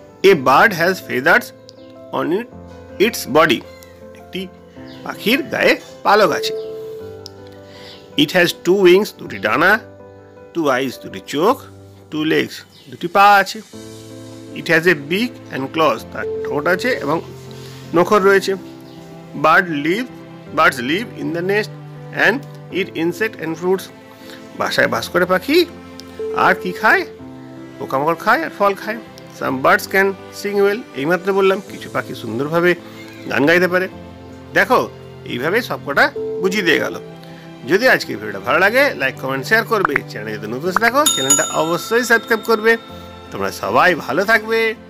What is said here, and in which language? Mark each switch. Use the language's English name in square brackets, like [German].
[English] A bird has feathers on its body. [Bangla] একটি পাখির গায়ে পালক আছে. [English] It has two wings, [Bangla] দুটি ডানা, [English] two eyes, [Bangla] দুটি চোখ, [English] two legs, [Bangla] দুটি পা আছে. [English] It has a beak and claws, [Bangla] তার ঠোঁট আছে এবং নখর রয়েছে. [English] Birds live in the nest and eat insects and fruits. [Bangla] বাসায় বাস করে পাখি আর কি খায়? পোকামাকড় খায় আর ফল খায়. [English] Some birds can sing well. [Bangla] এইমাত্র বললাম কিছু পাখি সুন্দরভাবে গান গাইতে পারে. দেখো এইভাবে সবকটা বুঝিয়ে দিয়ে গেল. যদি আজকের ভিডিওটা ভালো লাগে লাইক কমেন্ট শেয়ার করবে. চ্যানেলে নতুন থাকো চ্যানেলটা অবশ্যই সাবস্ক্রাইব করবে. তোমরা সবাই ভালো থাকবে.